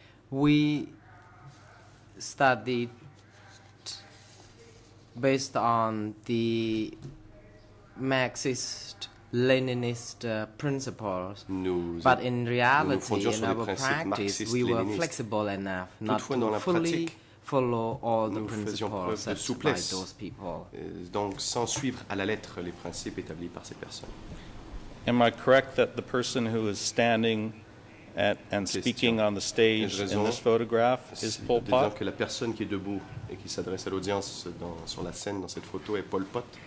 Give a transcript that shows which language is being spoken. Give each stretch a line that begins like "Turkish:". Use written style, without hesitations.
English: We studied based on the Marxist-Leninist principles, but in reality, in our practice, we were flexible enough not to fully follow all the principles set by those people.
French: Donc, sans suivre à la lettre les principes établis par ces personnes.
English: Am I correct that the person who is standing at and speaking on the stage in this photograph is Pol Pot?
French: Que la personne qui est debout et qui s'adresse à l'audience sur la scène dans cette photo est Pol Pot?